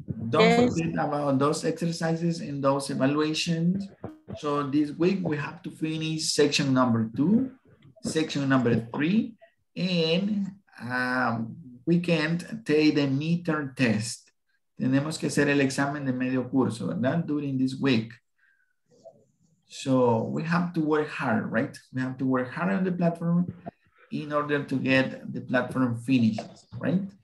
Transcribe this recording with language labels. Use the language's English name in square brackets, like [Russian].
[English] Don't forget about those exercises and those evaluations. So this week we have to finish section number 2, section number 3, and we can't take the midterm test. [Spanish] Tenemos que hacer el examen de medio curso, ¿verdad? [English] During this week. So we have to work hard, right? We have to work hard on the platform in order to get the platform finished, right?